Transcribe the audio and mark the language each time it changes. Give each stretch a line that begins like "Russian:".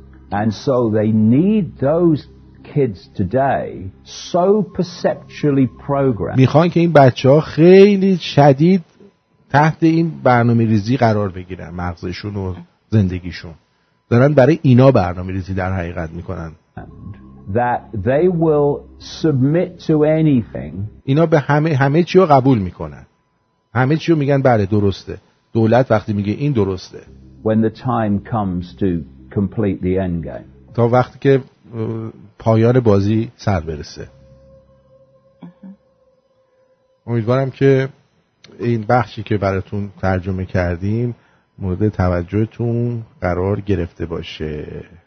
English: And so they need those kids today so perceptually programmed.
Persian: میخوان که این بچه‌ها خیلی شدید تحت این برنامه‌ریزی قرار بگیرن، مغزشون و زندگیشون. دارن برای اینا برنامه‌ریزی در حقیقت میکنن.
English: That they will submit to anything.
Persian: اینا به همه چی رو قبول میکنن. همه چی رو میگن بله درسته. دولت وقتی میگه این درسته.
English: When the time comes to complete the end game.
Persian: تا وقتی که پایان بازی سر برسه. امیدوارم که این بخشی که براتون ترجمه کردیم مورد توجهتون قرار گرفته باشه.